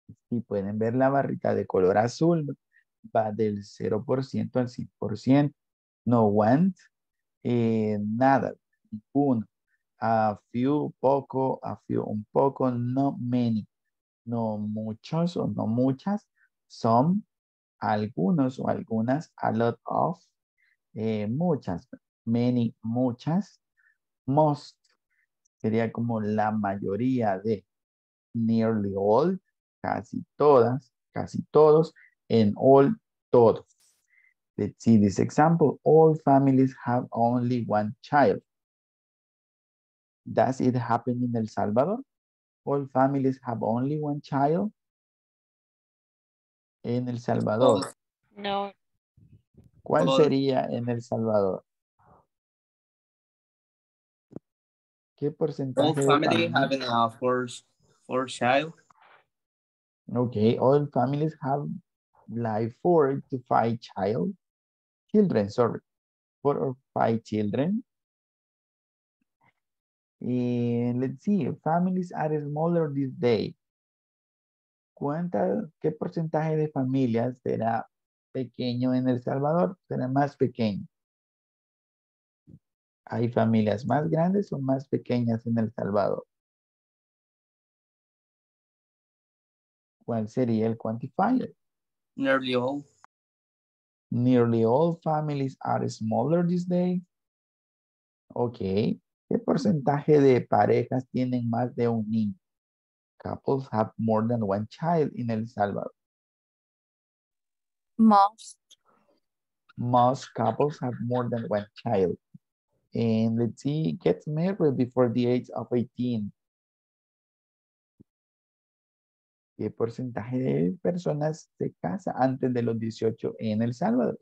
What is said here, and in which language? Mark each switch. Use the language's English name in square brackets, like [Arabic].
[Spanish] Sí, pueden ver la barrita de color azul, va del 0% al 100%, [English] no one, [Spanish] nada, ninguno, [English] a few, [Spanish] poco, a few, un poco, [English] no many, [Spanish] no muchos o no muchas, some, algunos o algunas, [English] a lot of, [Spanish] muchas, many, muchas, most, sería como la mayoría de, [English] nearly all, [Spanish] casi todas, casi todos, [English] and all, [Spanish] todos. [English] Let's see this example, all families have only one child. Does it happen in El Salvador? All families have only one child. [Spanish] En El Salvador. No. ¿Cuál sería en El Salvador? ¿Qué porcentaje? [English] All families have a four child. Okay, all families have like four to five child. Children, sorry. Four or five children. And let's see, families are smaller this day. [Spanish] ¿Qué porcentaje de familias será pequeño en El Salvador? ¿Será más pequeño? ¿Hay familias más grandes o más pequeñas en El Salvador? ¿Cuál sería el quantifier? [English] Nearly all. Nearly all families are smaller these days. Ok. [Spanish] ¿Qué porcentaje de parejas tienen más de un niño? [English] Couples have more than one child in El Salvador. Most. Most couples have more than one child. And let's see, get married before the age of 18. [Spanish] ¿Qué porcentaje de personas se casa antes de los 18 en El Salvador?